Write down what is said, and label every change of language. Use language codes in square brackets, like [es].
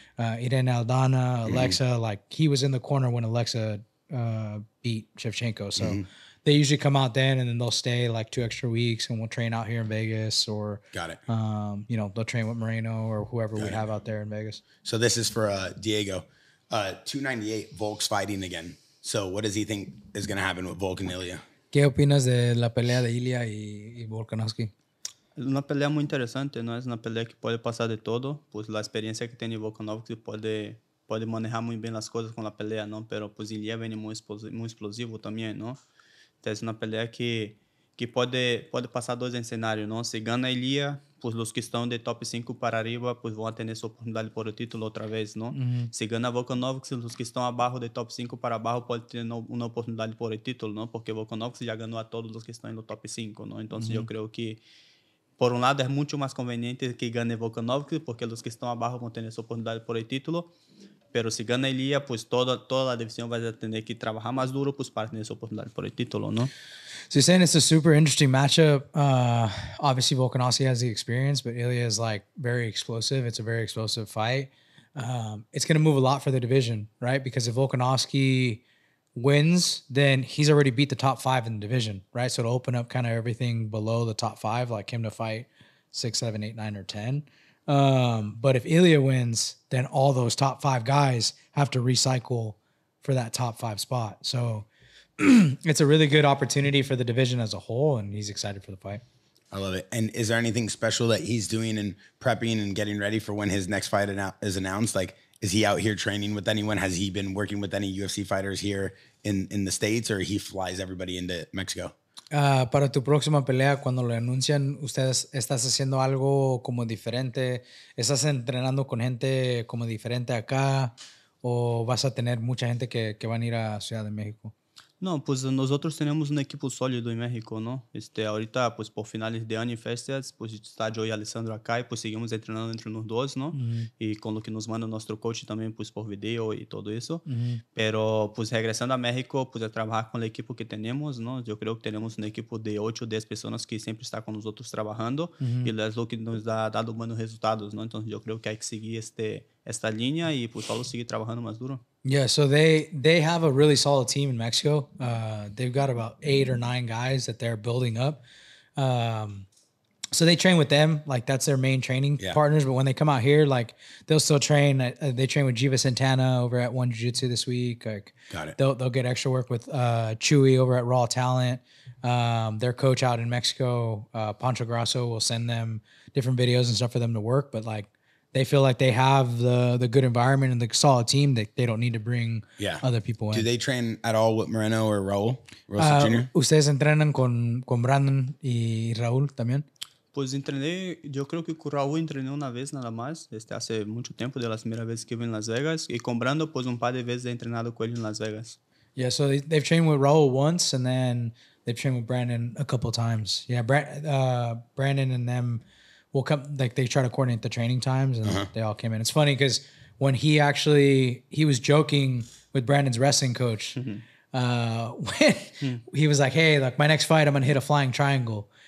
[en] Irene Aldana, Alexa, like, he was in the corner when Alexa beat Shevchenko, so they usually come out then, and then they'll stay like 2 extra weeks, and we'll train out here in Vegas, or you know, they'll train with Moreno or whoever we have out there in Vegas. So this is for Diego, 298 Volk's fighting again. So what does he think is going to happen with Volk and Ilya? [es] ¿Qué opinas de la pelea de Ilya y Volkanovski? Una pelea muy interesante, no es una pelea que puede pasar de todo, pues la experiencia que tiene Volkanovski puede manejar muy bien las cosas con la pelea, ¿no? Pero pues Ilya viene muy explosivo también, ¿no? Entonces es una pelea que puede pasar 2 escenarios, ¿no? Si gana Ilya, pues los que están de top 5 para arriba, pues van a tener su oportunidad por el título otra vez, ¿no? Uh-huh. Si gana Volkanovski, los que están abajo de top 5 para abajo pueden tener una oportunidad por el título, ¿no? Porque Volkanovski ya ganó a todos los que están en los top 5, ¿no? Entonces yo creo que por un lado es mucho más conveniente que gane Volkanovski, porque los que están abajo van a tener su oportunidad por el título. Pero si gana Ilya, pues toda la división va a tener que trabajar más duro pues para tener su oportunidad por el título, ¿no? [en] So you're saying it's a super interesting matchup. Obviously, Volkanovski has the experience, but Ilya is like very explosive. It's a very explosive fight. It's going to move a lot for the division, right? Because if Volkanovski wins, then he's already beat the top 5 in the division, right? So it'll open up kind of everything below the top 5, like him to fight 6, 7, 8, 9, or 10. But if Ilya wins, then all those top 5 guys have to recycle for that top 5 spot. So it's a really good opportunity for the division as a whole, and he's excited for the fight. I love it. And is there anything special that he's doing and prepping and getting ready for when his next fight is announced? Like, is he out here training with anyone? Has he been working with any UFC fighters here in the States, or he flies everybody into Mexico? [es] Para tu próxima pelea, cuando lo anuncian, ¿ustedes estás haciendo algo como diferente? ¿Estás entrenando con gente como diferente acá? ¿O vas a tener mucha gente que van a ir a Ciudad de México? No, pues nosotros tenemos un equipo sólido en México, ¿no? Ahorita, pues por finales de año y festas, pues está yo y Alessandro acá y pues seguimos entrenando entre los dos, ¿no? Uh-huh. Y con lo que nos manda nuestro coach también, pues por video y todo eso. Uh-huh. Pero pues regresando a México, pues a trabajar con el equipo que tenemos, ¿no? Yo creo que tenemos un equipo de 8 o 10 personas que siempre está con nosotros trabajando y es lo que nos ha dado buenos resultados, ¿no? Entonces yo creo que hay que seguir esta línea y pues solo seguir trabajando más duro. [en] Yeah, so they have a really solid team in Mexico. They've got about 8 or 9 guys that they're building up. So they train with them, like that's their main training partners. But when they come out here, like they'll still train. They train with Jiva Santana over at One Jiu-Jitsu this week. Like, got it. They'll get extra work with Chewy over at Raw Talent. Their coach out in Mexico, Pancho Grasso, will send them different videos and stuff for them to work. But like, they feel like they have the good environment and the solid team that they don't need to bring other people in. Do they train at all with Moreno or Raul? [es] Ustedes entrenan con Brandon y Raul también. [pt] Pues entrenei, eu creio que com o Raul entrenei uma vez nada mais, este hace muito tempo, de las primeiras vezes que vim em Las Vegas, e com Brando, pois um par de vezes [es] he entrenado [pt] com ele em Las Vegas. [en] Yeah, so they've trained with Raul once, and then they've trained with Brandon a couple times. Yeah, Brandon and them will come, like they try to coordinate the training times, and they all came in. It's funny, because when he was joking with Brandon's wrestling coach, he was like, hey, like my next fight, I'm going to hit a flying triangle.